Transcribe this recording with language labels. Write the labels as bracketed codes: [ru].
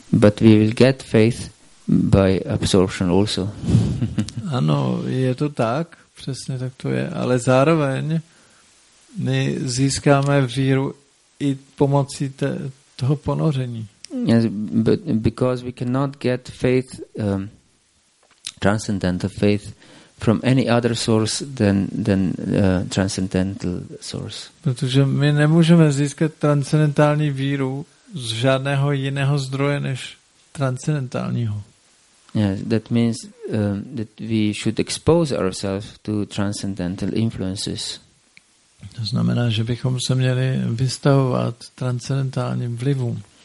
[en] But we will get faith by absorption also. [cs] Ano, je to tak, přesně tak to je. Ale zároveň my získáme víru i pomocí toho ponoření. [en] Yes, but because we cannot get faith, transcendental faith, from any other source than transcendental source. [cs] Protože my nemůžeme získat transcendentální víru z žádného jiného zdroje než transcendentálního. [en] Yes, that means that we should expose ourselves to transcendental influences. [cs] To znamená, že bychom se měli vystavovat transcendentálním vlivům.